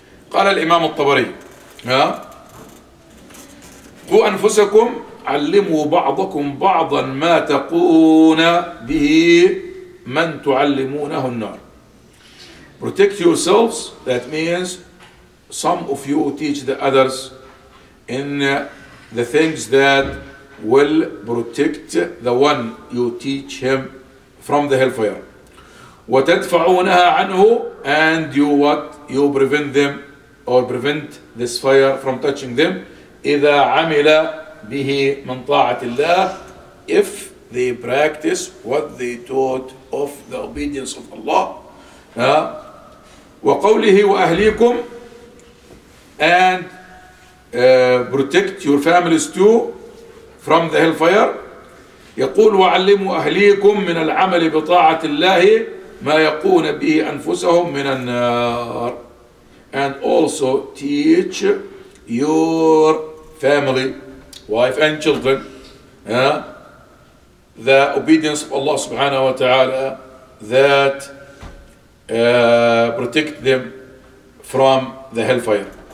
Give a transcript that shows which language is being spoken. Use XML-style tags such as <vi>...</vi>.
<ar>قال الإمام الطبري قُوا أَنفُسَكُمْ علموا بعضكم بعضا ما تقون به من تعلمونه النار.</ar> <en>Protect yourselves, that means some of you teach the others in the things that will protect the one you teach him from the hellfire.</en> <ar>وتدفعونها عنه</ar> <en>and you what? You prevent them or prevent this fire from touching them.</en> <ar>إذا عمل به من طاعة الله</ar> <en>if they practice what they taught of the obedience of Allah.</en> <ar>وقوله وأهليكم</ar> <en>and protect your families too from the hellfire.</en> <ar>يقول وعلموا أهليكم من العمل بطاعة الله ما يقون به أنفسهم من النار.</ar> <en>And also teach your family, wife and children, the obedience of Allah subhanahu wa ta'ala that protect them from the hellfire.</en>